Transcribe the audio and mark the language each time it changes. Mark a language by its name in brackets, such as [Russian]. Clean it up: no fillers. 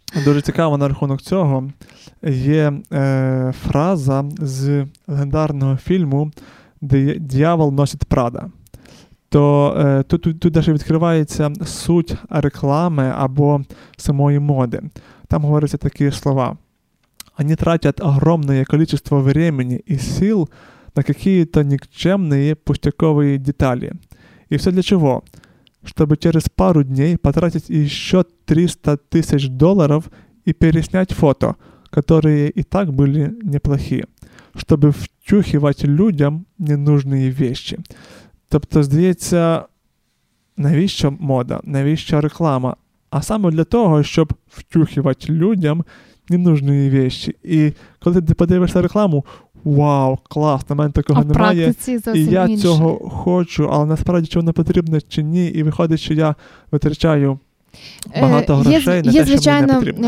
[Ukrainian] Дуже цікаво, на рахунок цього є фраза з легендарного фільму «Д'явол носить Прада». То тут даже відкривається суть реклами або самої моди. Там говоряться такі слова. [Russian] «Они тратят огромное количество времени и сил на какие-то никчемные пустяковые детали. И все для чего? Чтобы через пару дней потратить еще $300,000 и переснять фото, которые и так были неплохи, чтобы втюхивать людям ненужные вещи». [Ukrainian] Тобто, здається, навіщо мода, навіщо реклама? А саме для того, щоб втюхивати людям ненужні речі. І коли ти подивишся рекламу, вау, клас, на мене такого немає, і я цього хочу, але насправді, чи воно потрібно, чи ні, і виходить, що я витрачаю багато грошей на те, що мені не потрібно.